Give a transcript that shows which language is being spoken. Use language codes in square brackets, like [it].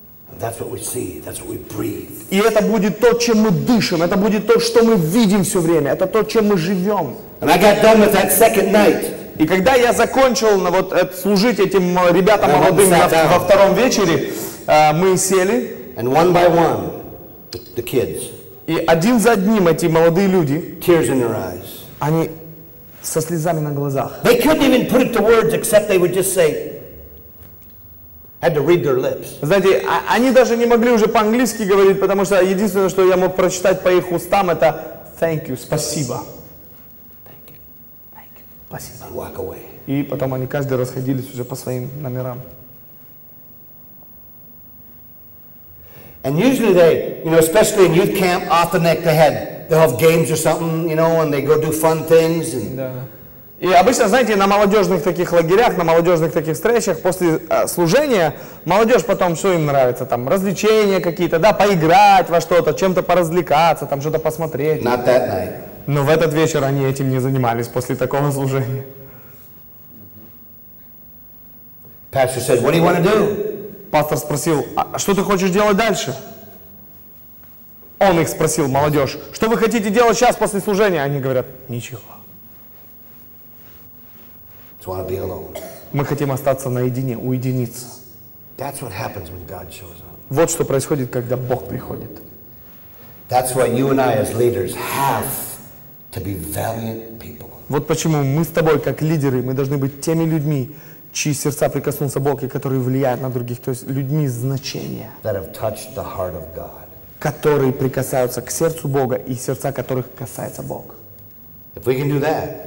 [en] And that's what we see, that's what we breathe. [ru] И это будет то, чем мы дышим, это будет то, что мы видим все время, это то, чем мы живем. [en] And I got done with that second night. [ru] И когда я закончил вот служить этим ребятам молодым во втором вечере, мы сели. [en] And one by one, the kids. [ru] И один за одним эти молодые люди. [en] Tears in their eyes. [ru] Они со слезами на глазах. [en] They couldn't even put it to words, except they would just say, had to read their lips. [ru] Знаете, они даже не могли уже по-английски говорить, потому что единственное, что я мог прочитать по их устам, это [en] thank you, [ru] спасибо. [en] Thank you, thank you, [ru] спасибо. [en] And walk away. [ru] И потом они каждый расходились уже по своим номерам. [en] And usually they, you know, especially in youth camp, often they had. They'll have games or something, you know, and they go do fun things. And... [ru] Да. И обычно, знаете, на молодежных таких лагерях, на молодежных таких встречах после служения молодежь потом что им нравится, там развлечения какие-то, да, поиграть во что-то, чем-то поразвлекаться, там что-то посмотреть. [en] Not that night. [ru] Но в этот вечер они этим не занимались после такого служения. [en] Pastor said, "What do you want to do?" [ru] Пастор спросил, а что ты хочешь делать дальше? Он их спросил, молодежь, что вы хотите делать сейчас после служения? Они говорят, ничего. [en] So I'll be alone. [ru] Мы хотим остаться наедине, уединиться. [en] That's what happens when God shows up. [ru] Вот что происходит, когда Бог приходит. [en] That's why you and I as leaders have to be valiant people. [ru] Вот почему мы с тобой, как лидеры, мы должны быть теми людьми, чьи сердца прикоснулся Бог и которые влияют на других, то есть людьми значения. [en] That have touched the heart of God. [ru] Которые прикасаются к сердцу Бога и сердца которых касается Бог. [en] If we can do that,